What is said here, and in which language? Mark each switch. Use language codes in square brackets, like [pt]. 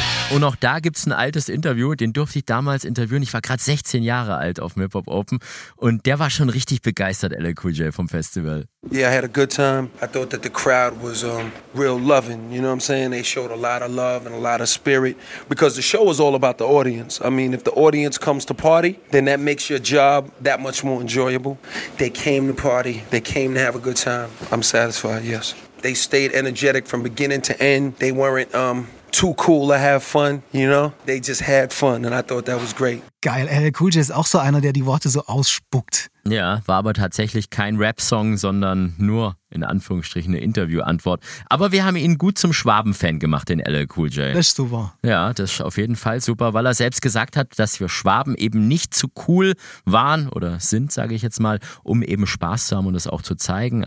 [de] Und auch da gibt es ein altes Interview, den durfte ich damals interviewen. Ich war gerade 16 Jahre alt auf dem Hip Hop Open und der war schon richtig begeistert, LL Cool J vom Festival. [en] Yeah, I had a good time. I thought that the crowd was real loving, you know what I'm saying? They showed a lot of love and a lot of spirit because the show is all about the audience. I mean, if the audience comes to party, then that makes your job that much more enjoyable. They came to party, they came to have a good time. I'm satisfied, yes. They stayed energetic from beginning to end. They weren't too cool to have fun, you know? They just had fun and I thought that was great. [de] Geil, LL Cool J ist auch so einer, der die Worte so ausspuckt. Ja, war aber tatsächlich kein Rap-Song, sondern nur in Anführungsstrichen eine Interviewantwort. Aber wir haben ihn gut zum Schwaben-Fan gemacht, den LL Cool J. Das ist super. Ja, das ist auf jeden Fall super, weil er selbst gesagt hat, dass wir Schwaben eben nicht zu cool waren oder sind, sage ich jetzt mal, um eben Spaß zu haben und das auch zu zeigen.